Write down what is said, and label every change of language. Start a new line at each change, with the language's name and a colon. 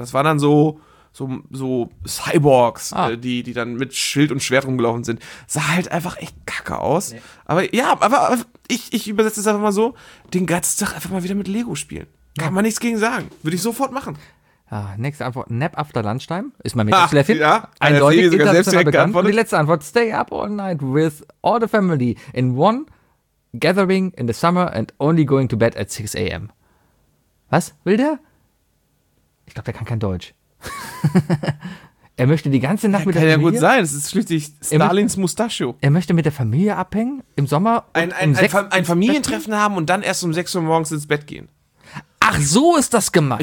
German: Das waren dann so Cyborgs, die dann mit Schild und Schwert rumgelaufen sind. Sah halt einfach echt kacke aus. Nee. Aber ja, aber ich übersetze es einfach mal so, den ganzen Tag einfach mal wieder mit Lego spielen. Kann man nichts gegen sagen. Würde ich sofort machen. Ja, nächste Antwort,
English: Nap after Lunchtime.
German: Ist mein Mega-Schläfchen. Ja, eindeutig, sogar selbst direkt geantwortet. Und die letzte Antwort,
English: stay up all night with all the family in one gathering in the summer and only going to bed at 6 a.m.
German: Was will der? Ich glaube, der kann kein Deutsch. Er möchte die ganze Nacht mit der Familie. Kann ja gut sein, es ist schließlich Stalins Mustachio. Er möchte mit der Familie abhängen im Sommer. Ein Familientreffen haben und dann erst um 6 Uhr morgens ins Bett gehen. Ach, so ist das gemeint.